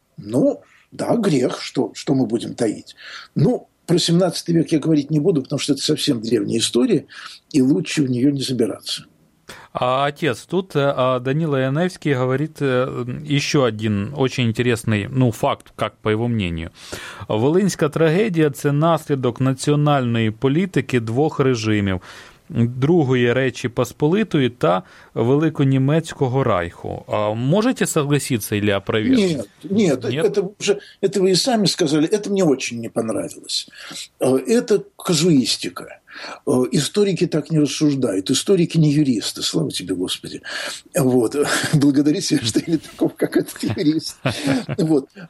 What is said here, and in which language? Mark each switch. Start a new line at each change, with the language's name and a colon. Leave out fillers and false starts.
Russian: Ну, да, грех, что мы будем таить. Ну, про 17 век я говорить не буду, потому что это совсем древняя история, и лучше в нее не забираться. А отец, тут Данила Яновский говорит еще один очень интересный, ну, факт, как по его мнению.
Ukrainian: Волинська трагедія – це наслідок національної політики двох режимів. Другої Речі Посполитої та Великонімецького Райху.
Russian: А можете согласиться, Ілля, провести? Нет, это вы и сами сказали, это мне очень не понравилось. Это казуистика. Историки так не рассуждают. Историки не юристы, слава тебе, Господи. Вот. Благодарю себя, что я не таков, как этот юрист. Вот.